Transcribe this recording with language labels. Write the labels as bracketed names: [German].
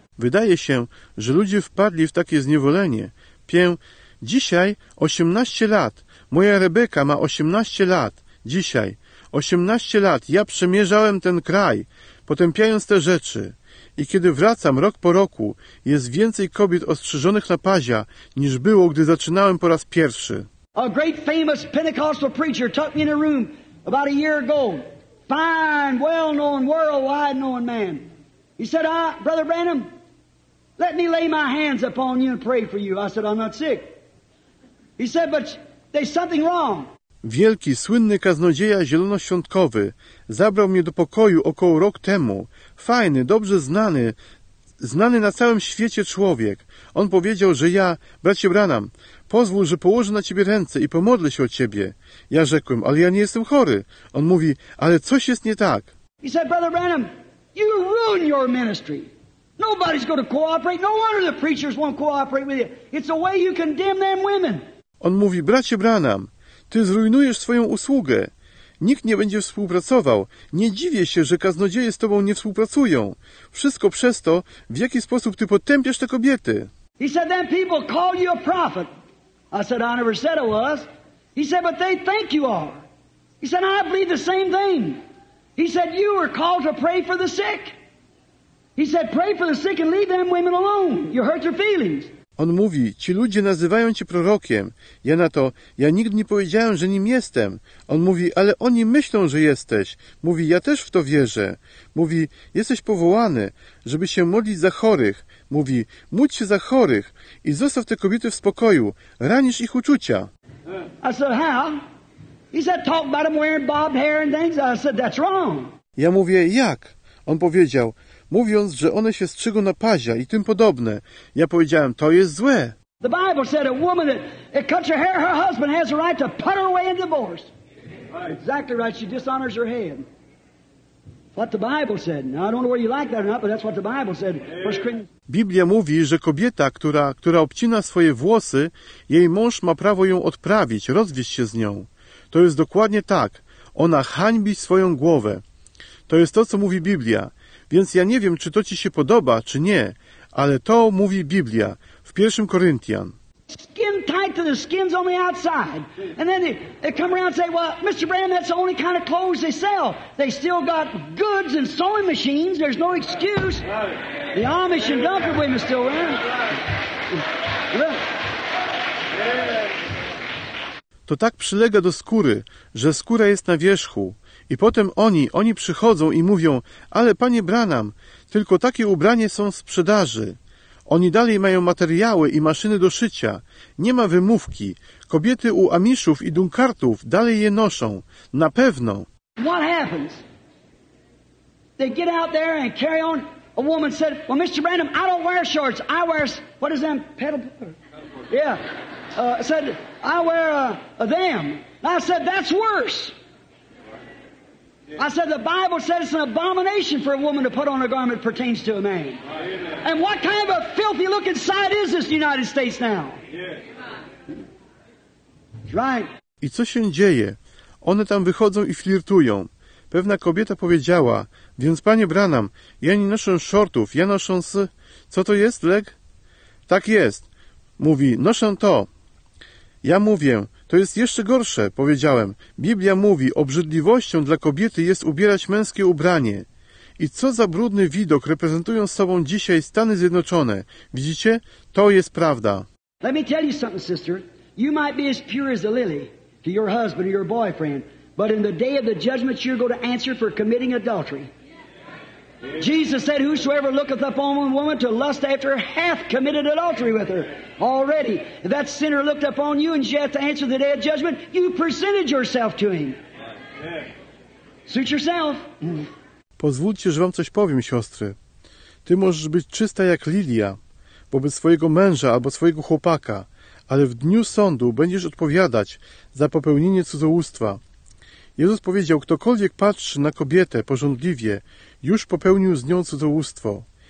[Polish] Wydaje się, że ludzie wpadli w takie zniewolenie. Dzisiaj 18 lat. Moja Rebecca ma 18 lat. Dzisiaj. 18 lat ja przemierzałem ten kraj, potępiając te rzeczy. I kiedy wracam rok po roku, jest więcej kobiet ostrzyżonych na pazia, niż było, gdy zaczynałem po raz pierwszy. [English] A great famous Pentecostal preacher took me in a room about a year ago. Fine, well-known, worldwide-known man. He said, Brother Branham, let me lay my hands upon you and pray for you. I said, I'm not sick. He said, but there's something wrong. [Polish] Wielki, słynny kaznodzieja zielonoświątkowy zabrał mnie do pokoju około rok temu. Fajny, dobrze znany, znany na całym świecie człowiek. On powiedział, że ja, bracie Branham, pozwól, że położę na ciebie ręce i pomodlę się o ciebie. Ja rzekłem, ale ja nie jestem chory. On mówi, ale coś jest nie tak. [English] He said, Brother Branham, you ruin your ministry. Nobody's going to cooperate. No wonder the preachers won't cooperate with you. It's the way you condemn them women. [Polish] On mówi, bracie Branham, ty zrujnujesz swoją usługę. Nikt nie będzie współpracował. Nie dziwię się, że kaznodzieje z tobą nie współpracują. Wszystko przez to, w jaki sposób ty potępiasz te kobiety. [English] He said, them people call you a prophet. I said, I never said I was. He said, but they think you are. He said, I believe the same thing. He said, you were called to pray for the sick. He said, pray for the sick and leave them women alone. You hurt their feelings. [Polish] On mówi, ci ludzie nazywają cię prorokiem. Ja na to, ja nigdy nie powiedziałem, że nim jestem. On mówi, ale oni myślą, że jesteś. Mówi, ja też w to wierzę. Mówi, jesteś powołany, żeby się modlić za chorych. Mówi, módl się za chorych i zostaw te kobiety w spokoju. Ranisz ich uczucia. [English] I said, how? He said, talk about them wearing bobbed hair and things. I said, that's wrong. [Polish] Ja mówię, jak? On powiedział, mówiąc, że one się strzygą na pazia i tym podobne. Ja powiedziałem, to jest złe. [English] The Bible said a woman that cuts her hair, her husband has a right to put her away in divorce. Exactly right, she dishonors her head. What the Bible said. Now, I don't know whether you like that or not, but that's what the Bible said. [Polish] Biblia mówi, że kobieta, która obcina swoje włosy, jej mąż ma prawo ją odprawić, rozwieść się z nią. To jest dokładnie tak. Ona hańbi swoją głowę. To jest to, co mówi Biblia. Więc ja nie wiem, czy to ci się podoba, czy nie, ale to mówi Biblia w 1 Koryntian. [English] Skin tight to the skins on the outside. And then they come around and say, well, Mr. Brand, that's the only kind of clothes they sell. They still got goods and sewing machines. There's no excuse. The Amish and Dunker women still run. Look. [Polish] To tak przylega do skóry, że skóra jest na wierzchu. I potem oni przychodzą i mówią, ale panie Branham, tylko takie ubranie są w sprzedaży. Oni dalej mają materiały i maszyny do szycia. Nie ma wymówki. Kobiety u Amishów i Dunkartów dalej je noszą. Na pewno. [English] What happens? They get out there and carry on. A woman said, well, Mr. Branham, I don't wear shorts. I wear, what is them? Pedal? Yeah. Said, I wear them. And I said, that's worse. I said, the Bible says it's an abomination for a woman to put on a garment that pertains to a man. Amen. And what kind of a filthy looking sight is this United States now? Yes. Right. [Polish] I co się dzieje? One tam wychodzą i flirtują. Pewna kobieta powiedziała, więc panie Branham, ja nie noszę shortów, ja noszę z... Co to jest, leg? Tak jest. Mówi, noszę to. Ja mówię, to jest jeszcze gorsze, powiedziałem. Biblia mówi, obrzydliwością dla kobiety jest ubierać męskie ubranie. I co za brudny widok reprezentują z sobą dzisiaj Stany Zjednoczone. Widzicie? To jest prawda. [English] Let me tell you something, sister. You might be as pure as a lily to your husband or your boyfriend, but in the day of the judgment you're going to answer for committing adultery. Jesus said, whosoever looketh upon a woman to lust after her hath committed adultery with her already. If that sinner looked upon you and she hath to answer the day of judgment, you presented yourself to him. Suit yourself. [Polish] Pozwólcie, że wam coś powiem, siostry. Ty możesz być czysta jak lilia wobec swojego męża albo swojego chłopaka, ale w dniu sądu będziesz odpowiadać za popełnienie cudzołóstwa. Jezus powiedział, ktokolwiek patrzy na kobietę pożądliwie, już popełnił z nią cudzołóstwo.